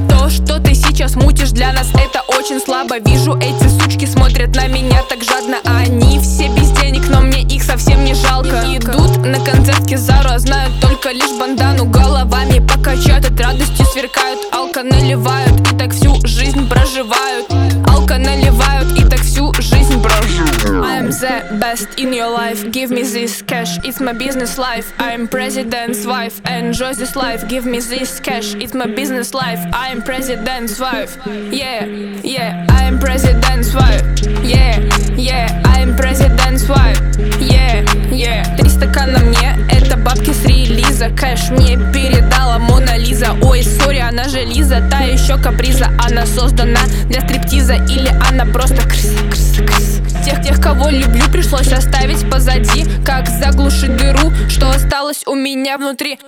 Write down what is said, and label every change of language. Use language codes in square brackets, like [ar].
[ru] То, что ты сейчас мутишь для нас, это очень слабо. Вижу, эти сучки смотрят на меня так жадно. Они все без денег, но мне их совсем не жалко. Идут на концерт Кизару, а знают только лишь бандану. Головами покачают, от радости сверкают. Алка наливают и так всю жизнь проживают. Алка наливают и так всю жизнь проживают. [en] I'm the best in your life, give me this cash. It's my business life, I'm president's wife. Enjoy this life, give me this cash. It's my business life, I'm president's wife. Yeah, yeah, I'm president's wife. Yeah, yeah, I'm president's wife. Yeah, yeah. [ru] Три стакана мне, это бабки с релиза. Кэш мне передала Мона Лиза. Ой, сори, она же Лиза, та еще каприза. Она создана для стриптиза, или она просто крыса. Тех, кого люблю, пришлось оставить позади. Как заглушить дыру, что осталось у меня внутри.